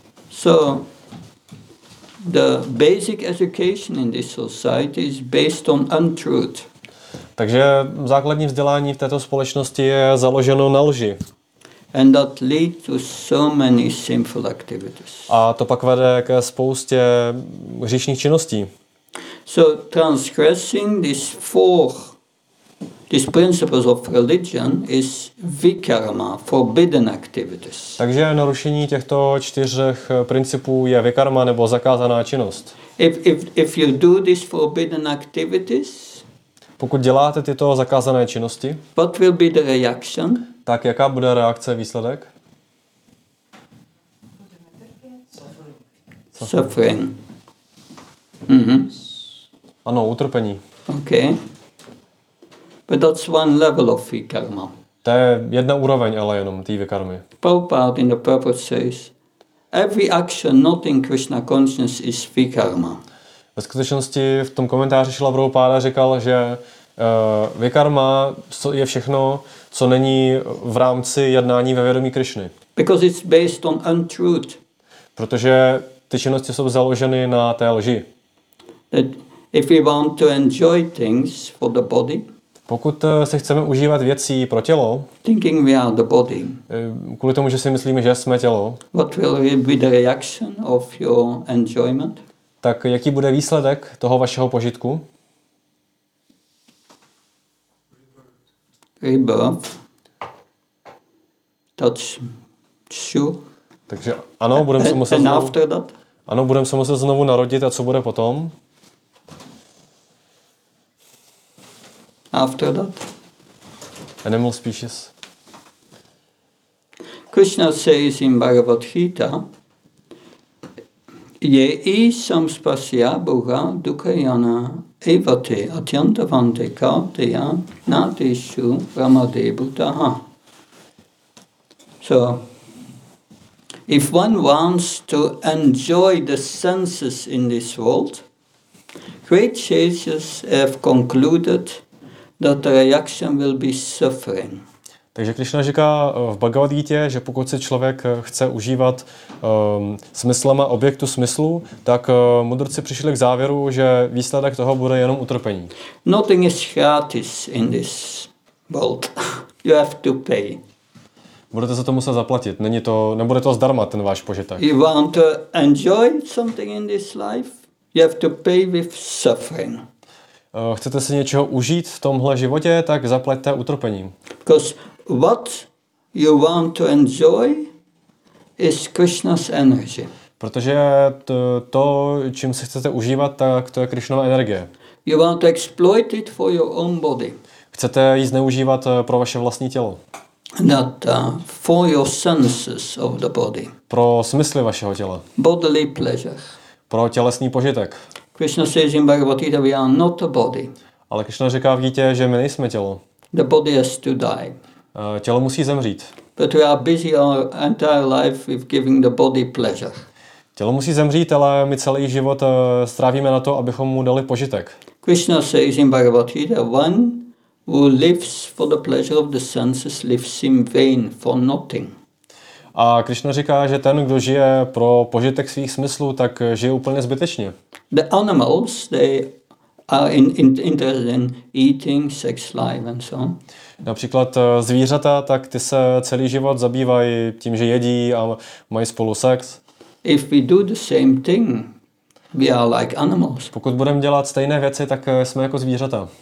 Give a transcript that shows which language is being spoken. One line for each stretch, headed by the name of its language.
English: So the basic education in this society is based on untruth.
Czech: Takže základní vzdělání v této společnosti je založeno na lži.
English: And that leads to so many sinful activities.
Czech: A to pak vede ke spoustě hříšných činností.
English: So transgressing these principles of religion is vikarma, forbidden activities.
Czech: Takže narušení těchto čtyř principů je vikarma nebo zakázaná činnost.
English: If you do these forbidden activities,
Czech: pokud děláte tyto zakázané činnosti,
English: what will be the reaction?
Czech: Tak jaká bude reakce, výsledek?
English: Suffering.
Czech: Ano, utrpení.
English: Okay. But that's one level of vikarma.
Czech: To je jedna úroveň, ale jenom té vikarmy.
English: Prabhupada in the purport says, every action not in Krishna consciousness is vikarma.
Czech: Ve skutečnosti v tom komentáři Šrila Prabhupada říkal, že vikarma je všechno, co není v rámci jednání ve vědomí Krishny.
English: Because it's based on untruth.
Czech: Protože ty činnosti jsou založeny na té lži.
English: That if we want to enjoy things for the body,
Czech: pokud se chceme užívat věcí pro tělo,
English: thinking we are the body,
Czech: kvůli tomu, že si myslíme, že jsme tělo,
English: what will be the reaction of your enjoyment?
Czech: Tak jaký bude výsledek toho vašeho požitku?
English: Rebirth. That's true.
Czech: Takže ano, budeme se muset znovu,
English: after that?
Czech: Ano, budeme se muset znovu narodit a co bude potom?
English: After that, animal species. Krishna says in Bhagavad Gita,
Sanskrit: "Ye isam spasya bhuga dukayana evate atyantavante kartaya nateshu ramadebhutaha."
English: So, if one wants to enjoy the senses in this world, great sages have concluded that the reaction will be suffering.
Czech: Takže Krishna říká v Bhagavad Gita, že pokud se člověk chce užívat smyslama objektu smyslu, tak mudrci přišli k závěru, že výsledek toho bude jenom utrpení.
English: Nothing is gratis in this world. You have to pay.
Czech: Budete za to muset zaplatit. Nebude to zdarma ten váš požitek.
English: You want to enjoy something in this life? You have to pay with suffering.
Czech: Chcete si něčeho užít v tomhle životě, tak zaplaťte utrpením.
English: Because what you want to enjoy is Krishna's energy.
Czech: Protože to, čím se chcete užívat, tak to je Krishnova energie.
English: You want to exploit it for your own body.
Czech: Chcete ji zneužívat pro vaše vlastní tělo.
English: That for your senses of the body.
Czech: Pro smysly vašeho těla.
English: Bodily pleasure.
Czech: pro tělesný požitek.
English: Krishna says in Bhagavad-gita, we are not a body.
Czech: Ale Krishna říká v Gítě, že my nejsme tělo.
English: The body has to die.
Czech: Tělo musí zemřít.
English: But we are busy our entire life with giving the body pleasure.
Czech: Tělo musí zemřít, ale my celý život strávíme na to, abychom mu dali požitek.
English: Krishna says in Bhagavad-gita, one who lives for the pleasure of the senses lives in vain for nothing.
Czech: A Krishna říká, že ten, kdo žije pro požitek svých smyslů, tak žije úplně zbytečně.
English: The animals, they are interested in eating, sex life and so on.
Czech: Například zvířata, tak ty se celý život zabývají tím, že jedí a mají spolu sex.
English: If we do the same thing, we are like animals.
Czech: Pokud budeme dělat stejné věci, tak jsme jako zvířata.